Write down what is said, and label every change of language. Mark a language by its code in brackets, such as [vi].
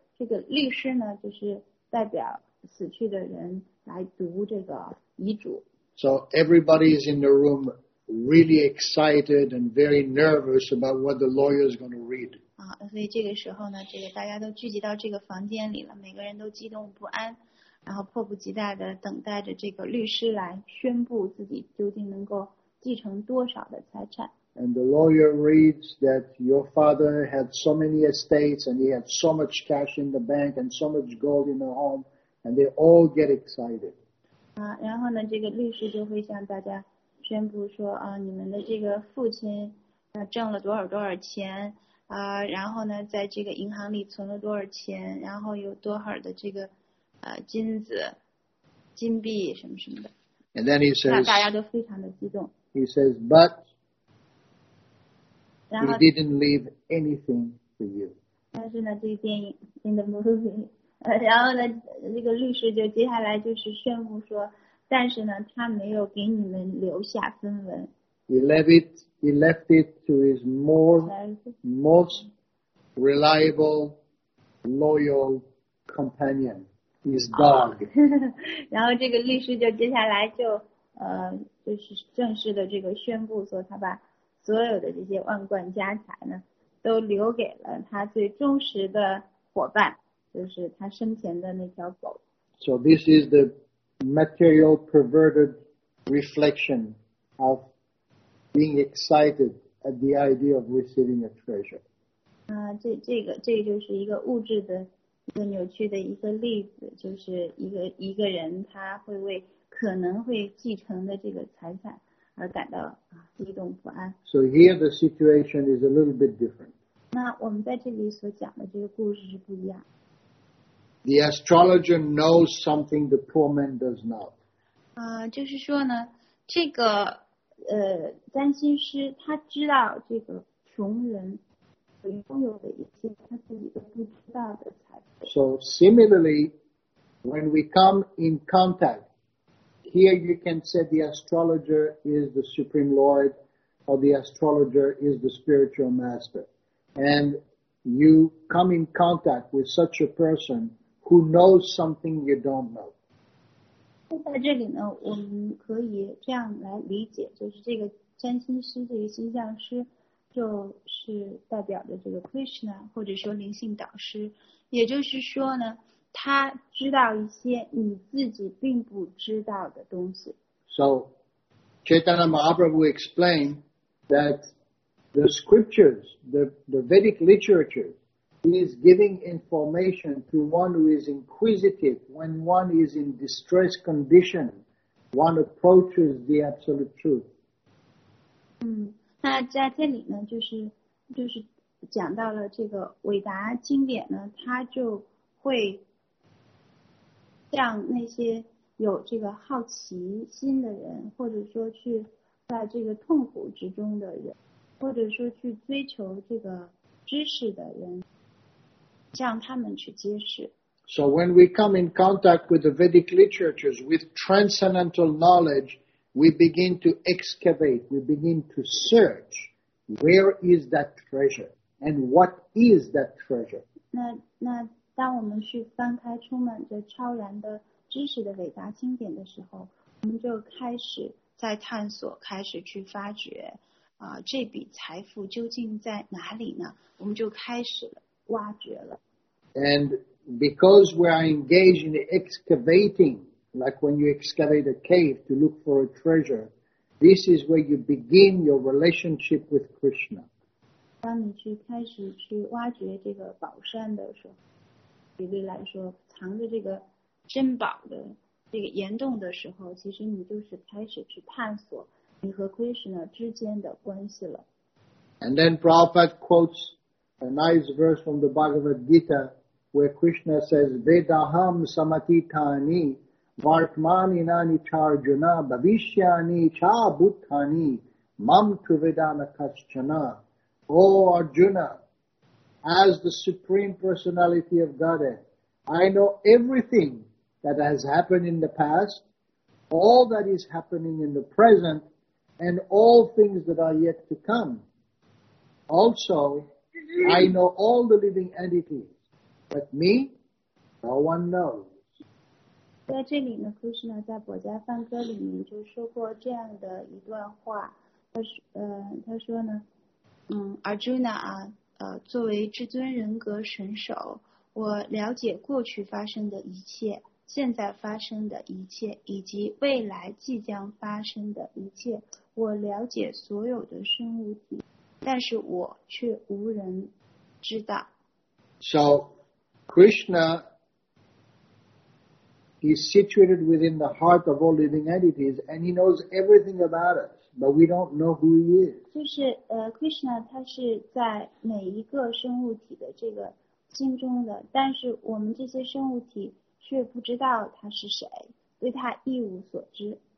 [zh] 这个律师呢，就是代表死去的人来读这个遗嘱。 [en] So everybody is in the room really excited and very nervous about what the lawyer is going to read. [zh] 所以这个时候呢，这个大家都聚集到这个房间里了，每个人都激动不安，然后迫不及待的等待着这个律师来宣布自己究竟能够继承多少的财产。 [en] And the lawyer reads that your father had so many estates and he had so much cash in the bank and so much gold in the home, and they all get excited. [zh] 然后呢，这个律师就会向大家宣布说，你们的这个父亲挣了多少多少钱，然后呢，在这个银行里存了多少钱，然后有多少的这个金子、金币什么什么的。 [en] And then he says, [zh] 大家都非常的激动。 [en] He says, but,He didn't leave anything for you. [zh] 但是呢，这个电影 [en] in the movie， [zh] 然后呢，这个律师就接下来就是宣布说，但是呢，他没有给你们留下分文。 [en] He left it to his most reliable, loyal companion, his dog. [zh] 然后这个律师就接下来就就是正式的这个宣布说，他把。所有的这些万贯家财呢，都留给了他最忠实的伙伴，就是他生前的那条狗。 [en] So this is the material perverted reflection of being excited at the idea of receiving a treasure. [zh] 这个就是一个物质的一个扭曲的一个例子，就是一个人他会为可能会继承的这个财产。而感到激动不安。 [en] So here the situation is a little bit different. [zh] 那我们在这里所讲的这个故事是不一样。 [en] The astrologer knows something the poor man does not. [zh] 就是说呢，这个占星师他知道这个穷人拥有的一些他自己都不知道的财富。 [en] So similarly, when we come in contact. Here you can say the astrologer is the supreme lord, or the astrologer is the spiritual master. And you come in contact with such a person who knows something you don't know. [zh] 在这里呢，我们可以这样来理解，就是这个占星师，这个星象师，就是代表着这个 Krishna， 或者说灵性导师。也就是说呢，他知道一些你自己并不知道的东西。 [en] So, Chaitanya Mahaprabhu explained that the scriptures, the Vedic literature, is giving information to one who is inquisitive. When one is in distressed condition, one approaches the absolute truth. [zh] 那在这里呢，就是讲到了这个韦达经典呢，它就会让那些有这个好奇心的人，或者说去在这个痛苦之中的人，或者说去追求这个知识的人，让他们去揭示。 [en] So when we come in contact with the Vedic literatures, with transcendental knowledge,We begin to excavate, we begin to search, where is that treasure, and what is that treasure? [zh] 那当我们去翻开充满着超然的知识的伟大经典的时候，我们就开始在探索，开始去发掘，这笔财富究竟在哪里呢？我们就开始了挖掘了。 [en] And because we are engaged in excavating,Like when you excavate a cave to look for a treasure, this is where you begin your relationship with Krishna. [zh] 当你去开始去挖掘这个宝山的时候，举例来说，藏着这个珍宝的这个岩洞的时候，其实你就是开始去探索你和 Krishna 之间的关系了。 [en] And then Prabhupada quotes a nice verse from the Bhagavad Gita where Krishna says, [sa] Vedaham samatitani,Vartmani nani cha arjuna, bhavishyani cha bhutani, mam tu vedana kaschana. [en] O Arjuna, as the Supreme Personality of Godhead, I know everything that has happened in the past, all that is happening in the present, and all things that are yet to come. Also, I know all the living entities, but me, no one knows. [zh] 在这里呢 ，Krishna 在《薄伽梵歌》里面就说过这样的一段话，他说呢，Arjuna 啊，作为至尊人格神首，我了解过去发生的一切，现在发生的一切，以及未来即将发生的一切，我了解所有的生物体，但是我却无人知道。 [en] So, Krishna. He is situated within the heart of all living entities, and he knows everything about us, but we don't know who he is. [zh] 就是Krishna 他是在每一个生物体的这个心中的，但是我们这些生物体却不知道他是谁，对他一无所知。